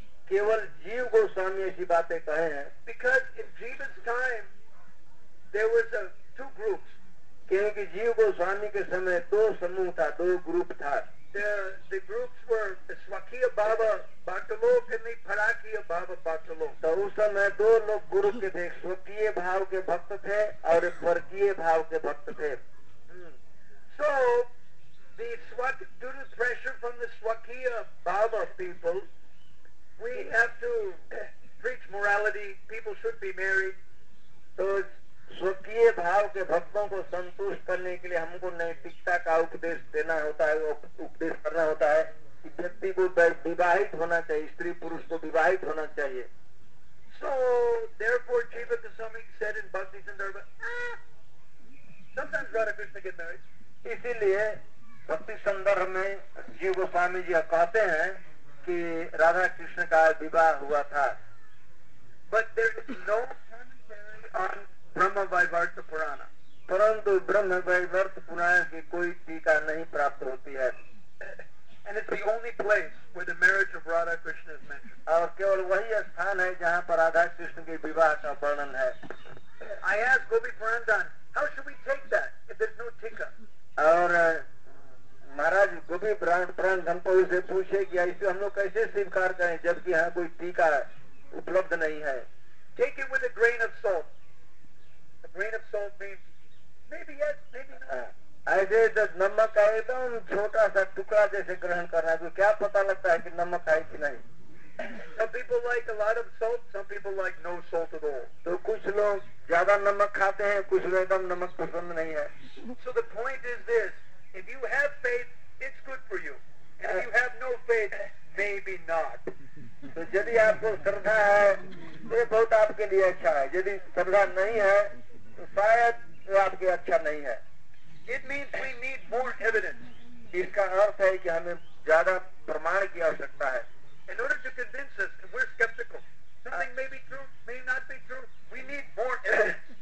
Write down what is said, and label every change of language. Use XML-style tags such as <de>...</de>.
<hi>Keval Jiva Goswami aisi baatein kahe hain.</hi> <en>Because in Jiva's time, there was two groups.</en> <hi>Kyunki Jiva Goswami ke samay do samuh tha, do group tha.</hi> <en>The groups were the Swakiya Baba Bhaktalok and the Parakiya Baba Bhaktalok.</en> <hi>तो उस समय दो लोग गुरु के थे स्वकीय भाव के भक्त थे और परकीय भाव के भक्त थे.</hi> <en>So the due to pressure from the Swakiya Baba people, we have to preach morality. People should be married.</en> <hi>तो स्वकीय भाव के भक्तों को संतुष्ट करने के लिए हमको नैतिकता का उपदेश देना होता है उपदेश करना होता है कि व्यक्ति को विवाहित होना चाहिए स्त्री पुरुष को विवाहित होना चाहिए.</hi> <en>So therefore Jiva Goswami said in Bhakti Sandarbha, sometimes Radha Krishna get married.</en> <hi>इसीलिए भक्ति संदर्भ में जीव गोस्वामी जी कहते हैं कि राधा कृष्ण का विवाह हुआ था.</hi> <en>But there is no commentary on Brahma Vaivarta Purana.</en> <hi>परंतु ब्रह्म वैवर्त पुराण की कोई टीका नहीं प्राप्त होती है.</hi> <en>And it's the only place where the marriage of Radha Krishna is mentioned.</en> <hi>और केवल वही स्थान है जहाँ पर राधा कृष्ण के विवाह का वर्णन है.</hi> <en>I ask Gopi Purandar, how should we take that if there is no tika.</en> <hi>और महाराज गोपी पुरंदर से पूछे कि इसे हम लोग कैसे स्वीकार करें जबकि यहाँ कोई टीका उपलब्ध नहीं है.</hi> <en>Take it with a grain of salt. Grain of salt means maybe yes, maybe no. I say that</en> <hi>नमक है तो हम छोटा सा टुकड़ा जैसे ग्रहण कर रहे हैं तो क्या पता लगता है कि नमक है कि नहीं.</hi> <en>Some people like a lot of salt. Some people like no salt at all.</en> <hi>तो कुछ लोग ज़्यादा नमक खाते हैं कुछ लोग एकदम नमक पसंद नहीं है.</hi> <en>So the point is this: if you have faith, it's good for you. And if you have no faith, maybe not.</en> <hi>तो यदि आपको श्रद्धा है तो बहुत आपके लिए अच्छा है यदि श्रद्धा नहीं है शायद आपके अच्छा नहीं है.</hi> <en>It means we need more evidence.</en> <hi>इसका अर्थ है कि हमें ज्यादा प्रमाण की आवश्यकता है.</hi> <en>In order to convince us we are sceptical something may be true may not be true we need more evidence.</en>